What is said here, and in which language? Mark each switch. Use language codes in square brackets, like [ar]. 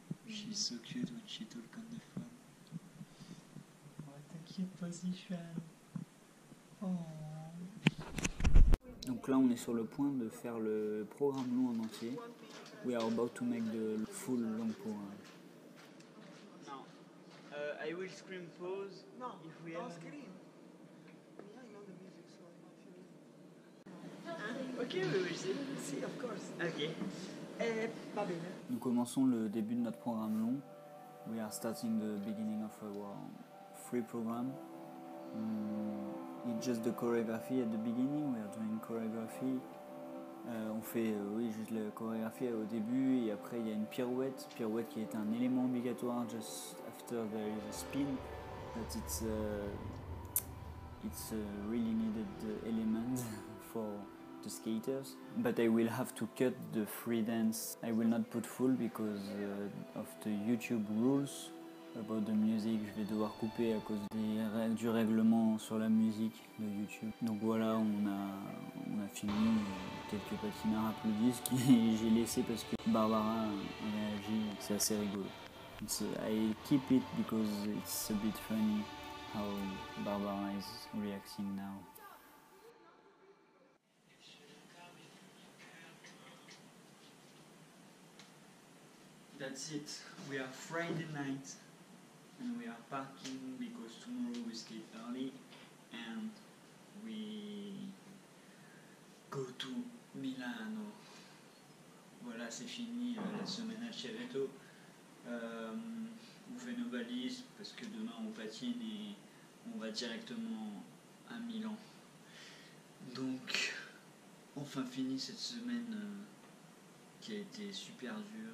[en] She's so cute when she talks on the phone. [fr] Donc là on est sur le point de faire le programme long en entier. [en] We are about to make the full long program. Now, I will scream pause. No, if we have... screen. Okay, we will see. See, of course. Okay. [fr] Nous commençons le début de notre programme long. [en] We are starting the beginning of our free program. It's just the choreography at the beginning. We are doing choreography. [fr] On fait oui juste la chorégraphie au début et après il y a une pirouette. Pirouette qui est un élément obligatoire [en] just after there is a spin. But it's a really needed element for the skaters. But I will have to cut the free dance. I will not put full because of the YouTube rules. About the music, [fr] je vais devoir couper à cause du règlement sur la musique de YouTube. Donc voilà, on a fini quelques patineurs applaudissent que j'ai laissé parce que Barbara a réagi. C'est assez rigolo. [en] So I keep it because it's a bit funny how Barbara is reacting now. That's it. We are Friday night and we are packing because tomorrow we sleep early and we go to Milano. [fr] Voilà, c'est fini la semaine à Cerreto. On fait nos valises parce que demain on patine et on va directement à Milan. Donc, enfin fini cette semaine qui a été super dure.